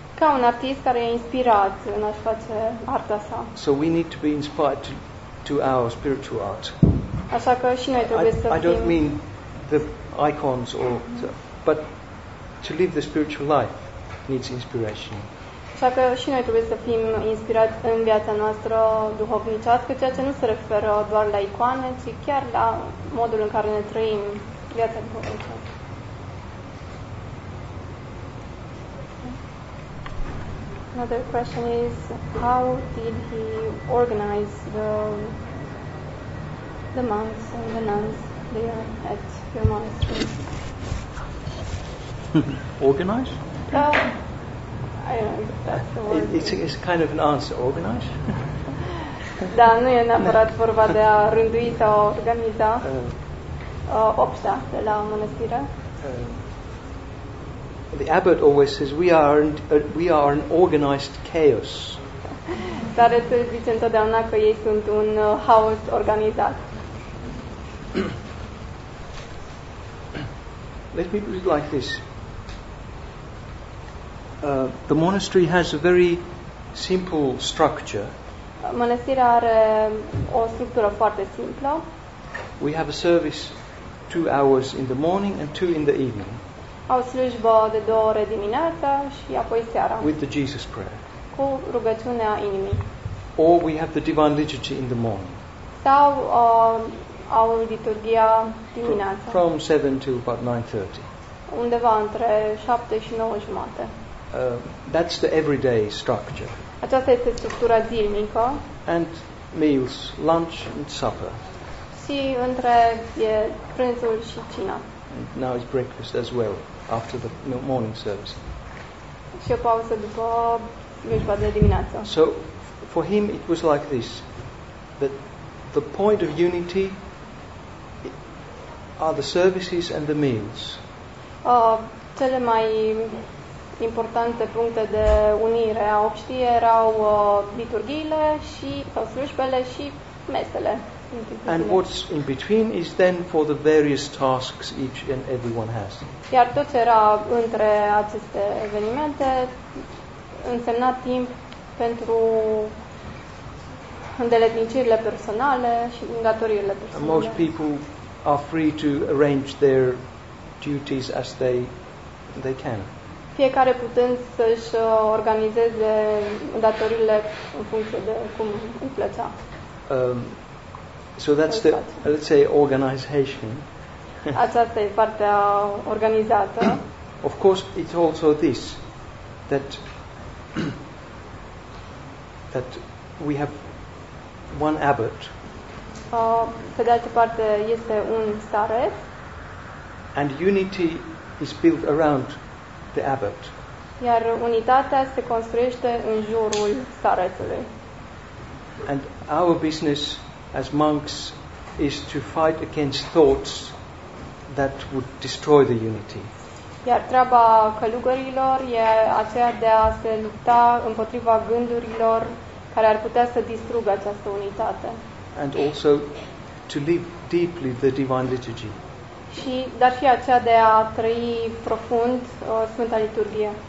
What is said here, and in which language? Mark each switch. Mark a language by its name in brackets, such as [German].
[Romanian] Ca un artist care e inspirat în a-și face arta sa. [English] So we need to be inspired to our spiritual art. [Romanian] Așa că și noi trebuie să fim. [English] I don't mean the icons or but to live the spiritual life needs inspiration. [Romanian] Așa că și noi trebuie să fim inspirați în viața noastră duhovnicească, ceea ce nu se referă doar la icoane, ci chiar la modul în care ne trăim viața duhovnicească. [English] Another question is, how did he organize the monks and the nuns there at your monastery? Organize? I don't know if that's the word. It's kind of an answer, organize. [Romanian] Da, nu e neapărat vorba de a rândui sau organiza opta de la mănăstire. [English] The abbot always says we are an organized chaos. [Romanian] Dar este zice întotdeauna că ei sunt un haos organizat. [English] Let me put it like this. The monastery has a very simple structure. [Romanian] Mănăstirea are o structură foarte simplă. [English] We have a service 2 hours in the morning and 2 in the evening. [Romanian] Au slujbă de 2 ore dimineața și apoi seara. [English] With the Jesus prayer. [Romanian] Cu rugăciunea inimii. [English] Or we have the divine liturgy in the morning. [Romanian] Sau au liturghia dimineața. [English] From 7 to about 9:30. [Romanian] Undeva între 7 și 9:30. [English] That's the everyday structure. [Romanian] Aceasta este structura zilnică. [English] And meals, lunch and supper. [Romanian] Și între prânzul și cina. [English] And now it's breakfast as well after the morning service. [Romanian] Și o pauză după mijloc de dimineață. [English] So for him it was like this, that the point of unity are the services and the meals. [Romanian] Cele mai importante puncte de unire a obștiei erau liturghiile și slujbele și mesele. [English] And what's in between is then for the various tasks each and everyone has. [Romanian] Iar tot ce era între aceste evenimente însemna timp pentru îndeletnicirile personale și îndatoririle personale. [English] And most people are free to arrange their duties as they can. [Romanian] Fiecare putând să-și organizeze datorile în funcție de cum îi plăcea. [English] So that's the, let's say, organization. [Romanian] Aceasta e partea organizată. [English] Of course, it's also this, that that we have one abbot. [Romanian] Pe de altă parte, este un staret. [English] And unity is built around the abbot. [Romanian] Iar unitatea se construiește în jurul starețului. [English] And our business as monks is to fight against thoughts that would destroy the unity. [Romanian] Iar treaba călugărilor e aceea de a se lupta împotriva gândurilor care ar putea să distrugă această unitate. [English] And also to live deeply the divine liturgy. [Romanian] Și dar și aceea de a trăi profund Sfânta Liturghie.